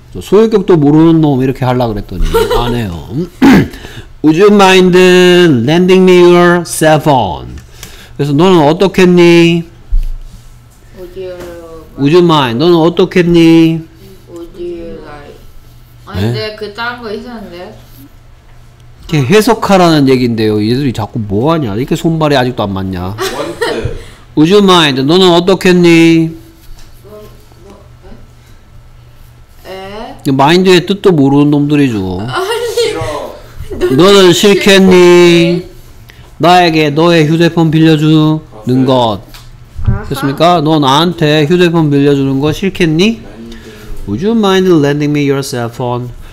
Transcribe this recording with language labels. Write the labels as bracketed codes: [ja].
[ko] 소유격도 모르는 놈 이렇게 하려고 그랬더니 안 해요. [en] Would you mind lending me your cell phone? [ko] 그래서 너는 어떻겠니? [en] Would you mind? [ko] 너는 어떻겠니? [en] Would you like? [ko] 아니 네? 근데 그 다른 거 있었는데? 이렇게 해석하라는 얘긴데요. 얘들이 자꾸 뭐하냐? 이렇게 손발이 아직도 안 맞냐? [en] Would you mind? [ko] 너는 어떻겠니? 마인드의 뜻도 모르는 놈들이죠. 아니 너는 싫겠니? 나에게 너의 휴대폰 빌려주는 것 됐습니까? 너 나한테 휴대폰 빌려주는 거 싫겠니? [en] Would you mind lending me your cell phone?